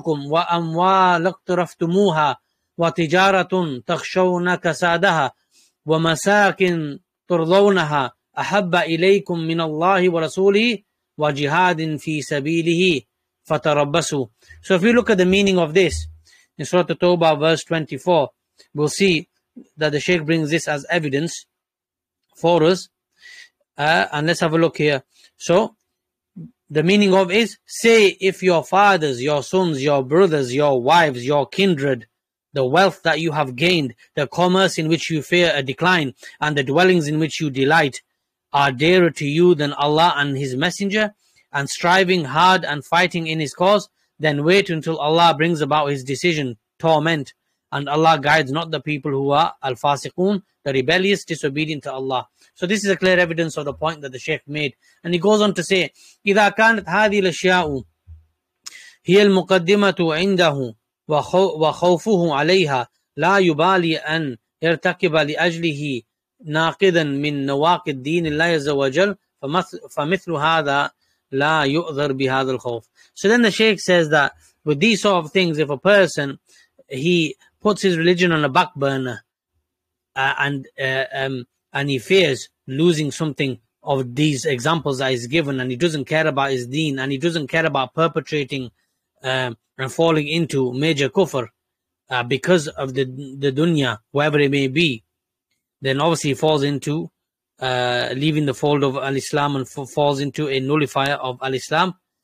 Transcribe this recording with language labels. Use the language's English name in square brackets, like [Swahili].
[Arabic] وَأَمْوَالُ اقْتُرَفْتُمُوهَا وَتِجَارَةٌ تَخْشَوْنَ كَسَادَهَا وَمَسَاكِنْ تُرْضَوْنَهَا أَحَبَّ إِلَيْكُمْ مِنَ اللَّهِ وَرَسُولِهِ وَجِهَادٍ فِي سَبِيلِهِ فَتَرَبَّسُوا. [English] So if you look at the meaning of this, in Surah At-Tawbah verse 24, we'll see that the Shaykh brings this as evidence for us. And let's have a look here. So, the meaning of is, say if your fathers, your sons, your brothers, your wives, your kindred, the wealth that you have gained, the commerce in which you fear a decline, and the dwellings in which you delight are dearer to you than Allah and His Messenger, and striving hard and fighting in His cause, then wait until Allah brings about His decision, torment, and Allah guides not the people who are al-fasiqoon, the rebellious, disobedient to Allah. So this is a clear evidence of the point that the Shaykh made. And he goes on to say, [Arabic] إِذَا كَانَتْ هَذِي الْأَشْيَاءُ هِيَ الْمُقَدِّمَةُ عِنْدَهُ وَخَوْفُهُ عَلَيْهَا لَا يُبَالِي أَنْ يَرْتَكِبَ لِأَجْلِهِ نَاقِدًا مِنْ نَوَاقِدْ دِينِ اللَّهِ عَزَّ وَجَلُ فَمِثْلُ هَذَا لَا يُؤْذَرْ بِهَذَا الْخَوْفُ. [English] So then the Shaykh says that with these sort of things, if a person, he puts his religion on a back burner and he fears losing something of these examples that he's given, and he doesn't care about his deen, and he doesn't care about perpetrating and falling into major kufr because of the dunya, wherever it may be, then obviously he falls into leaving the fold of al-Islam and falls into a nullifier of al-Islam.